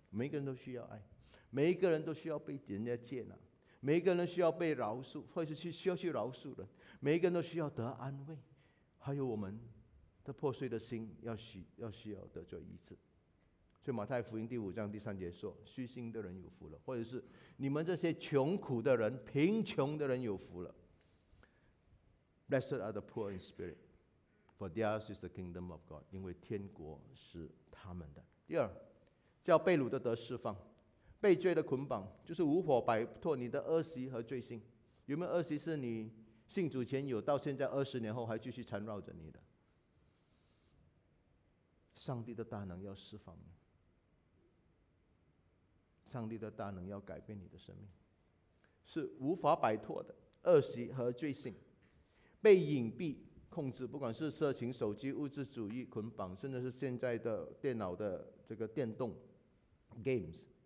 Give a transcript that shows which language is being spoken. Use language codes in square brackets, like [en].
[zh] 每一个人都需要爱，每一个人都需要被人家接纳，每一个人需要被饶恕，或是需要去饶恕人，每一个人都需要得安慰，还有我们的破碎的心要需要得做医治。所以马太福音第五章第三节说，虚心的人有福了，或者是你们这些穷苦的人，贫穷的人有福了。 [en] Blessed are the poor in spirit, for theirs is the kingdom of God, [zh] 因为天国是他们的。第二，叫被掳的得释放，被罪的捆绑，就是无法摆脱你的恶习和罪性。有没有恶习是你信主前有，到现在二十年后还继续缠绕着你的？上帝的大能要释放你，上帝的大能要改变你的生命，是无法摆脱的恶习和罪性，被隐蔽控制，不管是色情、手机、物质主义捆绑，甚至是现在的电脑的这个电动 games。